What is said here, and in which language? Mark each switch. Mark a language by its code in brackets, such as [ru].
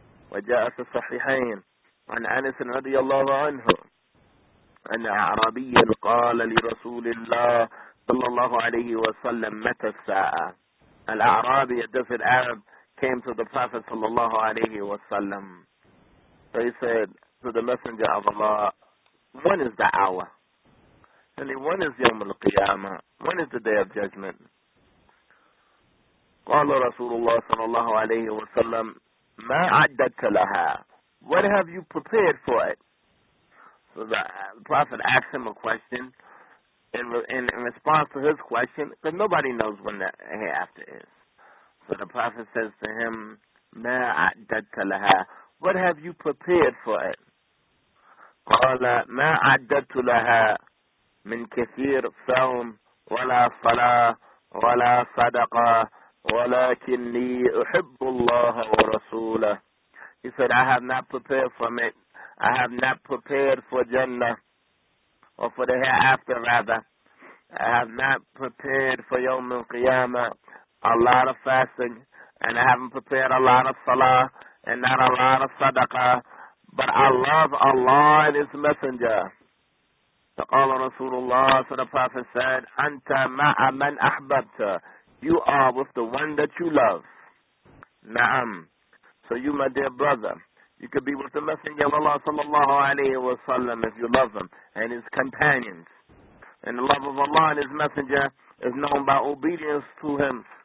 [ar] وَجَاءَ فِي الصَّحِحَيْنِ عَنْ أَنَسٍ رَضِيَ اللَّهُ عَنْهُ أَنَّ أَعْرَابِيًّا قَالَ لِرَسُولِ اللَّهِ صَلَّى اللَّهُ عَلَيْهِ وَسَلَّمَ مَتَى السَّاعَةُ. [en] An Arabi, a different Arab, came to the Prophet sallallahu alayhi wa sallam. So he said to the Messenger of Allah, when is the hour? And when is Yawm al-Qiyamah? When is the Day of Judgment? [ar] قال رسول الله صلى الله عليه وسلم ما عدت لها. [en] What have you prepared for it? So the Prophet asked him a question in response to his question, but nobody knows when the hereafter is. So the Prophet says to him, [ar] ما عدت لها. [en] What have you prepared for it? [ar] قال ما عدت لها من كثير صوم ولا صلاة ولا صدقة. وَلَكِنِّي أُحِبُّ اللَّهَ وَرَسُولَهُ. [en] He said, I have not prepared for it. I have not prepared for Jannah, or for the hereafter, rather. I have not prepared for Yawm al-Qiyamah, a lot of fasting, and I haven't prepared a lot of salah, and not a lot of sadaqah, but I love Allah and His Messenger. [ar] So قال رسول الله, [en] so the Prophet said, [ar] أَنْتَ مَعَ مَنْ أَحْبَبْتَ. [en] You are with the one that you love. Na'am. So you, my dear brother, you could be with the Messenger of Allah sallallahu alayhi wa sallam if you love him and his companions. And the love of Allah and his Messenger is known by obedience to him.